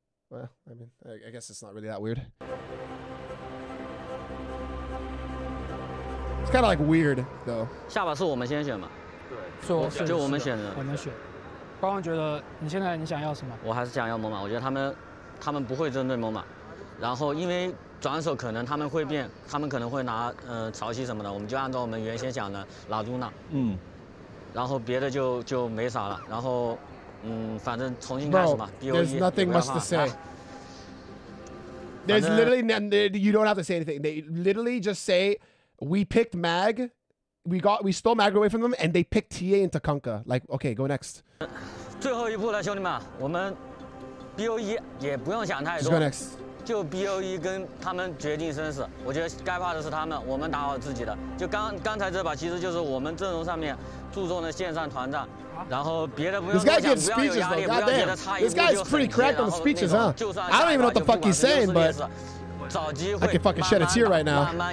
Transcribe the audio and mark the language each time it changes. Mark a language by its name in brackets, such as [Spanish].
[English] Well, I mean, I guess it's not really that weird. It's kind of like weird, though. So, we can choose. I want MOMA. I think they won't attack MOMA. And because [Chinese] 转手可能他们会变，他们可能会拿潮汐什么的，我们就按照我们原先讲的拉朱娜，然后别的就没啥了，然后反正重新开始吧。 [English] There's nothing much to say. There's literally you don't have to say anything. They literally just say we picked Mag, we stole Mag away from them, and they picked TA into Kanka. Like, okay, go next. [Chinese] 最后一步了，兄弟们，我们 BOE 也不用想太多。就 BOE 跟他们决定生死，我觉得该怕的是他们，我们打好自己的。就刚才这把，其实就是我们阵容上面注重的线上团战，然后别的不用多想，不要有压力。 [English] This guy is pretty cracked on the speeches, huh? I don't even know what the fuck he's saying, but I can fucking shed a tear right now.